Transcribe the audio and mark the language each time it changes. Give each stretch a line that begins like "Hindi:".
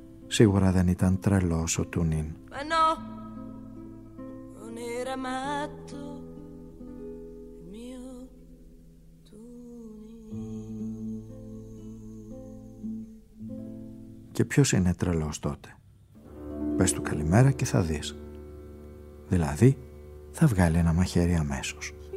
Greek: Σίγουρα δεν ήταν τρελός ο Τουνίν.
Italian: Μα no, non era matto, mio Τουνίν.
Greek: Και ποιος είναι τρελός τότε? Πες του καλημέρα και θα δεις. Δηλαδή, θα βγάλει ένα μαχαίρι αμέσως.